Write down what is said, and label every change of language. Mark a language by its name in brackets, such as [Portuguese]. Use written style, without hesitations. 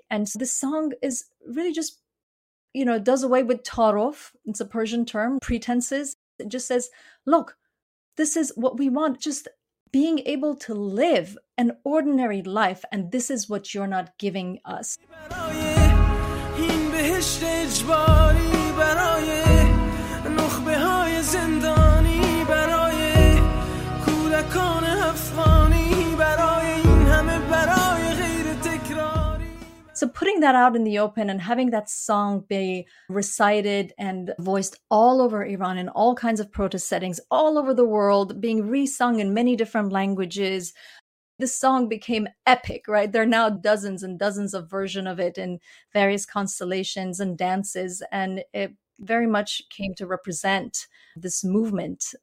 [English] And so this song is really just, does away with taruf. It's a Persian term, pretenses. It just says, look, this is what we want, just being able to live an ordinary life. And this is what you're not giving us. [Persian] بهشت اجباری برای نخبه های زندانی برای کودکان افغانی برای این همه برای غیر تکراری. [English] So putting that out in the open and having that song be recited and voiced all over Iran in all kinds of protest settings all over the world, being re-sung in many different languages, this song became epic, right? There are now dozens and dozens of versions of it in various constellations and dances, and it very much came to represent this movement.